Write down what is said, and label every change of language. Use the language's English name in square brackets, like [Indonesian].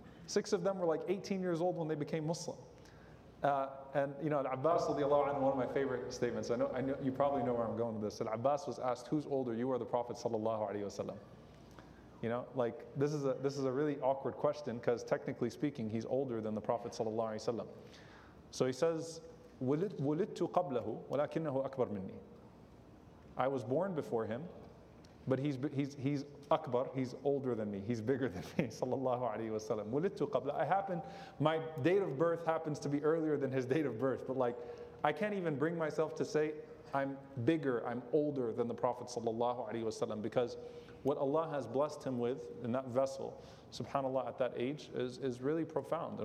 [English] Six of them were like 18 years old when they became Muslim. And you know, Al-Abbas, one of my favorite statements, I know you probably know where I'm going with this. Al-Abbas was asked, who's older, you or the Prophet sallallahu alayhi wasallam? You know, like this is a really awkward question, because technically speaking, he's older than the Prophet sallallahu alayhi wasallam. So he says, [Arabic] وُلِدْتُ قَبْلَهُ وَلَكِنَّهُ أَكْبَر مِنِّي. [English] I was born before him, but he's akbar, he's older than me, he's bigger than me, sallallahu alayhi wasallam. Wulidtu qabla, my date of birth happens to be earlier than his date of birth, but like, I can't even bring myself to say I'm bigger, I'm older than the Prophet sallallahu alayhi wasallam, because what Allah has blessed him with in that vessel, subhanAllah, at that age, is really profound.